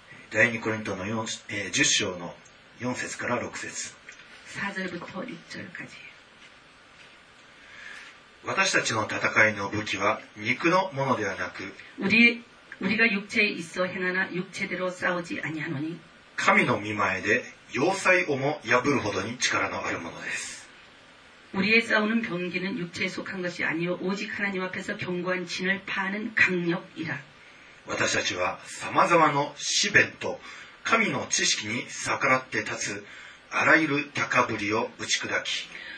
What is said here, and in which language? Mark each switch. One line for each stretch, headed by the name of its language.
Japanese: 第2コリントの10章の4節から6節
Korean: 4절부터6절까지
Japanese: 私たちの戦いの武器は肉のものではなく
Korean: 우리가육체에있어행하나육체대로싸우지아니하노니
Japanese: 神の御前で要塞をも破るほどに力のあるものです
Korean: 우리의싸우는병기는육체에속한것이아니오오직하나님앞에서견고한진을파하는강력이라
Japanese: 私たちは様々の試練と神の知識に逆らって立つあらゆる高ぶりを打ち砕き